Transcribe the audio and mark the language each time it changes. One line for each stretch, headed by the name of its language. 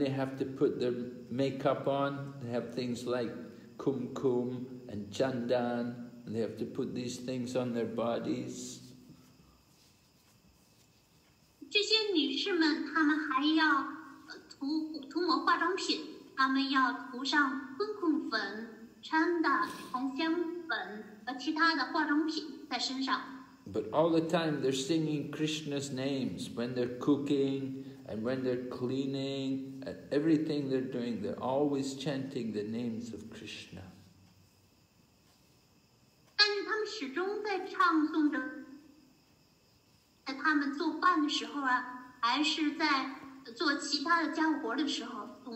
English: they have to put their makeup on. They have things like kumkum and chandan and they have to put these things on their bodies.
Chinese: 这些女士们，她们还要涂抹化妆品。他们要涂上粉扑粉、穿的红香粉和其他的化妆品在身上。
English: But all the time they're singing Krishna's names when they're cooking and when they're cleaning and everything they're doing, they're always chanting the names of Krishna.
Chinese: 但是他们始终在唱诵着，在他们做饭的时候啊，还是在做其他的家务活的时候。